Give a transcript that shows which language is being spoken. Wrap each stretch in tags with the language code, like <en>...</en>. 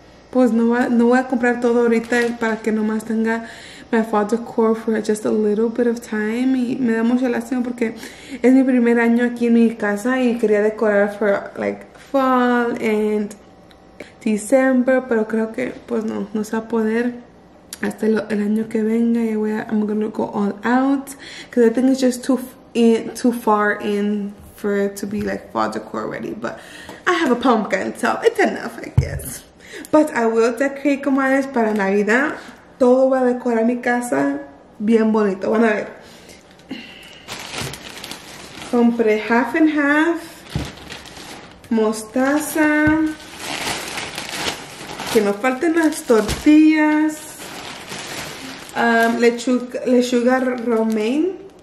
<es>Pues no voy a comprar todo ahorita para que nomás tenga my fall decor for just a little bit of time. Y me da mucha lástima porque es mi primer año aquí en mi casa y quería decorar for like fall and December, pero creo que pues no se va a poder hasta el año que venga.</es> <en>Y I'm gonna go all out because I think it's just too far in for it to be like fall decor ready, but I have a pumpkin, so it's enough, I guess. But I will decorate, comadres, para Navidad.</en> <es>Todo va a decorar mi casa bien bonito. Van a ver. Compré half and half. Mostaza. Que no falten las tortillas. Lechuga romaine.</es>